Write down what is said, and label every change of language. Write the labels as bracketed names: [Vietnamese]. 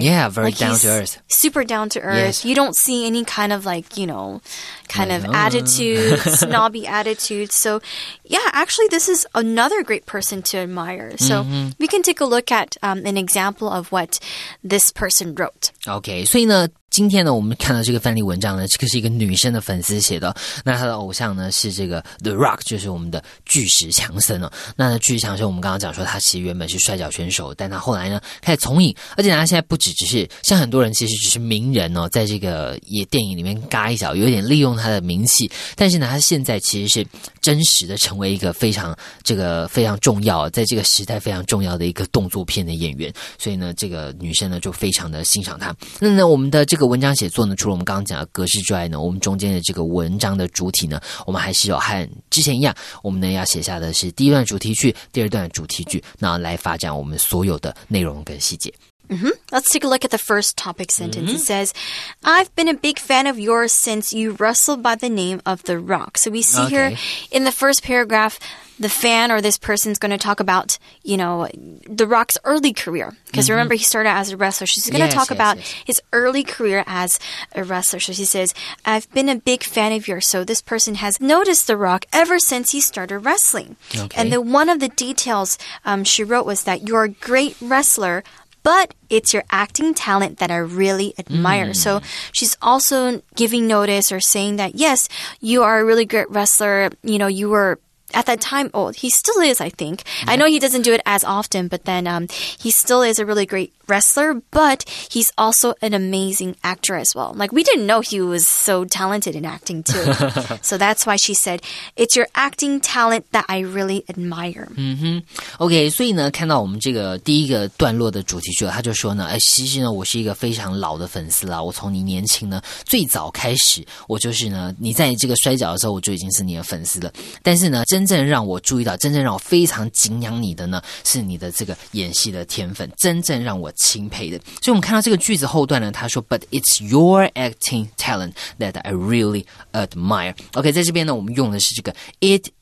[English] Yeah, very like, down to earth. Super down to earth. You don't see any kind of like, you know, kind of attitude, snobby attitude. So, yeah, actually, this is another great person to admire. So,、 mm-hmm. we can take a look at、an example of what this person wrote. [Chinese] Okay, so, 呢今天呢我们看到这个范例文章呢这个是一个女生的粉丝写的、哦、那她的偶像呢是这个 The Rock 就是我们的巨石强森、哦、那巨石强森我们刚刚讲说他其实原本是摔角选手但他后来呢开始从影而且他现在不只是像很多人其实只是名人、哦、在这个也电影里面嘎一脚有点利用他的名气但是呢他现在其实是真实的成为一个非常这个非常重要在这个时代非常重要的一个动作片的演员所以呢这个女生呢就非常的欣赏他那呢我们的这个这个文章写作呢除了我们刚刚讲的格式之外呢我们中间的这个文章的主体呢我们还是有和之前一样我们呢要写下的是第一段主题句第二段主题句那来发展我们所有的内容跟细节、 mm-hmm. [English] Let's take a look at the first topic sentence、mm-hmm. It says I've been a big fan of yours since you wrestled by the name of The Rock So we see、 okay. here in the first paragraphThe fan or this person's going to talk about, you know, The Rock's early career. Because、mm-hmm. remember, he started out as a wrestler. She's going to talk about his early career as a wrestler. So she says, I've been a big fan of yours. So this person has noticed The Rock ever since he started wrestling.、 Okay. And then one of the details、she wrote was that you're a great wrestler, but it's your acting talent that I really admire.、 Mm. So she's also giving notice or saying that, yes, you are a really great wrestler. You know, you were... At that time, oh, he still is, I think.、 Yeah. I know he doesn't do it as often, but then、he still is a really great wrestler, but he's also an amazing actor as well. Like, we didn't know he was so talented in acting, too. so that's why she said, it's your acting talent that I really admire.、 Mm-hmm. [Chinese] Okay, 所以呢看到我们这个第一个段落的主题句，他就说呢、哎、其实呢我是一个非常老的粉丝啦，我从你年轻呢最早开始，我就是呢你在这个摔角的时候，我就已经是你的粉丝了。但是呢真正让我注意到真正让我非常敬仰你的呢是你的这个演戏的天分真正让我钦佩的所以我们看到这个句子后段呢他说 [English] But it's your acting talent that I really admire [Chinese] OK 在这边呢我们用的是这个 It